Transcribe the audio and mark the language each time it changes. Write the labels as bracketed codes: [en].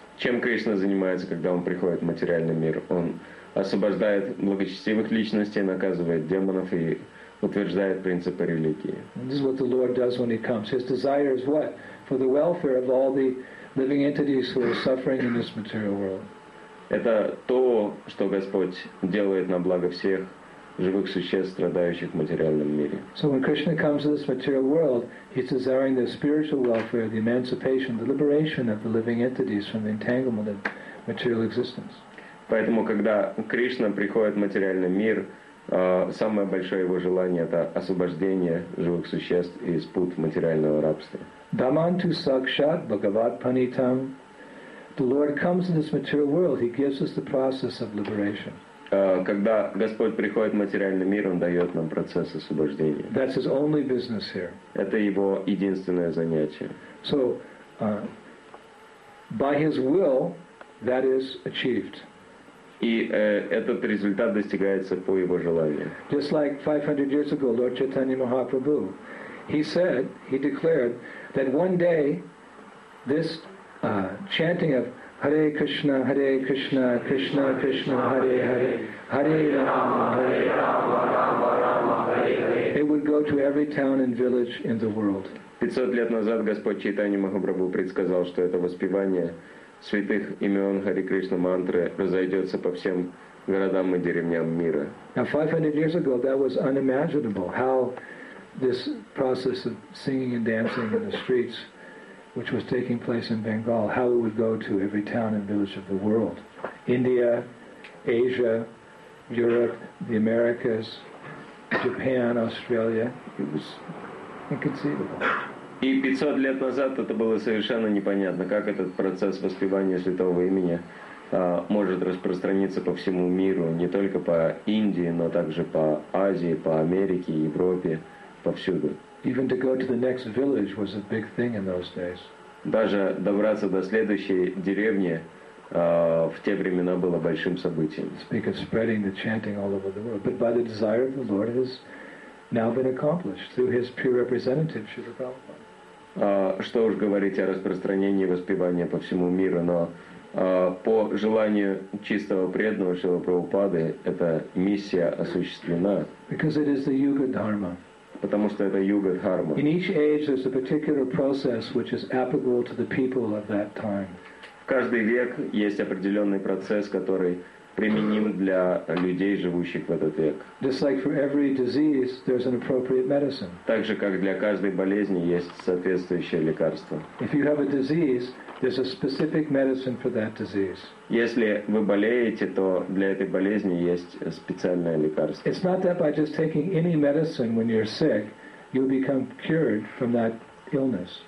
[ru] Чем Кришна занимается, когда он приходит в материальный мир? Он освобождает благочестивых личностей, наказывает демонов и утверждает принципы религии. [en] This is what the Lord does when he comes. His desire is what? For the welfare of all the living entities who are suffering in this material world. [ru] Это то, что Господь делает на благо всех живых существ, страдающих в материальном мире. [en] So when Krishna comes to this material world, he's desiring the spiritual welfare, the emancipation, the liberation of the living entities from the entanglement of material existence. [ru] Поэтому, когда Кришна приходит в материальный мир, самое большое его желание — это освобождение живых существ из пут материального рабства. [sa] Дамантю сакшат бхагават панитам. [en] The Lord comes to this material world, he gives us the process of liberation. [ru] Когда Господь приходит в материальный мир, Он дает нам процесс освобождения. [en] That's his only business here. [ru] Это Его единственное занятие. [en] So, by his will, that is achieved. [ru] И этот результат достигается по Его желанию. [en] Just like 500 years ago, Lord Chaitanya Mahaprabhu, he declared that one day this chanting of Hare Krishna, Hare Krishna, Krishna Krishna, Hare Hare, Hare Rama, Hare Rama, Rama Rama, Hare Hare. It would go to every town and village in the world. [ru] 500 лет назад Господь Чайтанья Махапрабху предсказал, что это воспевание святых имен Хари Кришна мантры разойдется по всем городам и деревням мира. [en] Now 500 years ago, that was unimaginable. How this process of singing and dancing in the streets, which was taking place in Bengal, how it would go to every town and village of the world. India, Asia, Europe, the Americas, Japan, Australia. It was inconceivable. [ru] И 500 лет назад это было совершенно непонятно, как этот процесс воспевания святого имени может распространиться по всему миру, не только по Индии, но также по Азии, по Америке, Европе, повсюду. [en] Even to go to the next village was a big thing in those days. [ru] Даже добраться до следующей деревни в те времена было большим событием. [en] Speak of spreading the chanting all over the world. But by the desire of the Lord, it has now been accomplished through his pure representative, Srila Prabhupada. [ru] Что уж говорить о распространении воспевания по всему миру, но по желанию чистого преданного Шрила Прабхупады эта миссия осуществлена. [en] Because it is the Yuga Dharma. [ru] Потому что это юга дхарма. [en] In each age there's a particular process which is applicable to the people of that time. [ru] В каждый век есть определенный процесс, который применим для людей, живущих в этот век. [en] Just like for every disease there's an appropriate medicine. [ru] Так же, как для каждой болезни есть соответствующее лекарство. [en] If you have a disease, there's a specific medicine for that disease. [ru] Если вы болеете, то для этой болезни есть специальное лекарство. [en] It's not that by just taking any medicine when you're sick, you become cured from that illness.